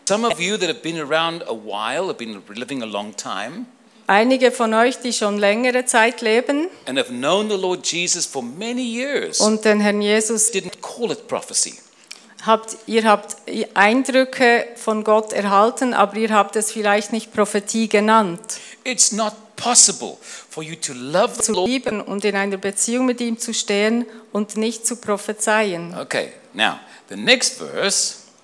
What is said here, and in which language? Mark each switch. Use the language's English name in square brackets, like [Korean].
[English] Some of you that have been around a while, have been living a long time, [German] einige von euch, die schon längere Zeit leben [English] and have known the Lord Jesus for many years, [German] und den Herrn Jesus [English] didn't call it prophecy. [German] Ihr habt Eindrücke von Gott erhalten, aber ihr habt es vielleicht nicht Prophetie genannt. [English] It's not possible for you to love the Lord, [German] zu lieben und in einer Beziehung mit ihm zu stehen und nicht zu prophezeien. [English] Okay, now, the next verse.